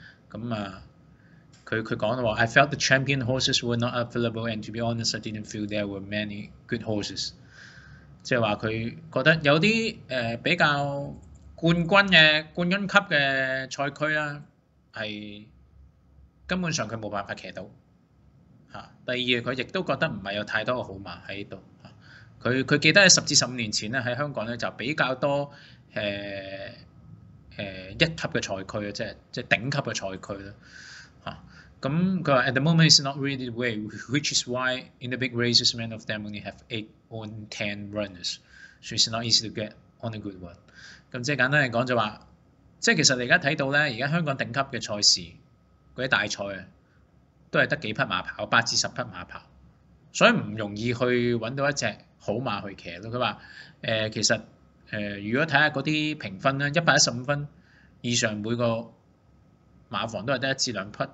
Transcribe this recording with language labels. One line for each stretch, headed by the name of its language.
Cantonese: 咁啊，佢講到話，
English: I felt the champion horses were not available and to be honest, I didn't feel there were many good horses。
Cantonese: 即係話佢覺得有啲比較。冠軍級嘅賽區啦，係根本上佢冇辦法騎到嚇。第二，佢亦都覺得唔係有太多嘅好馬喺度嚇。佢記得喺10至15年前咧，喺香港咧就比較多一級嘅賽區啦，即係頂級嘅賽區啦嚇。咁佢話，
English: At the moment it's not really the way, which is why in the big races, many of them only have 8 on 10 runners, so it's not easy to get on a good one。
Cantonese: 咁即係簡單嚟講就話，即係其實你而家睇到咧，而家香港頂級嘅賽事嗰啲大賽啊，都係得幾匹馬跑，8至10匹馬跑，所以唔容易去揾到一隻好馬去騎咯。佢話其實如果睇下嗰啲評分咧，115分以上每個馬房都係得一至兩匹。